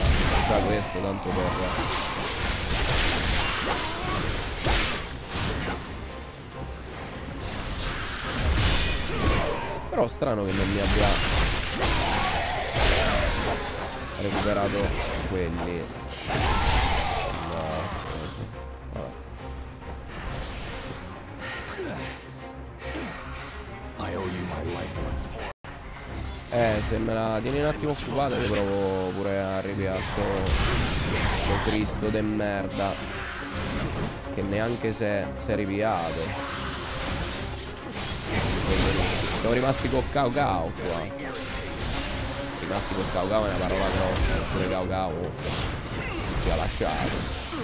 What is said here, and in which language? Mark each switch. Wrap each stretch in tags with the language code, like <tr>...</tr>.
<it>Ho già questo tanto per... Però strano che non mi abbia recuperato quelli.</it> <en>No, I owe you my life once more.</en> <it>Se me la tieni un attimo occupata, io provo pure a ripiasto sto Cristo de merda. Che neanche se si è ripiato. Siamo rimasti con Cao Cao qua. Rimasti col Cao Cao è una parola grossa, pure Cao Cao ci ha lasciato.</it>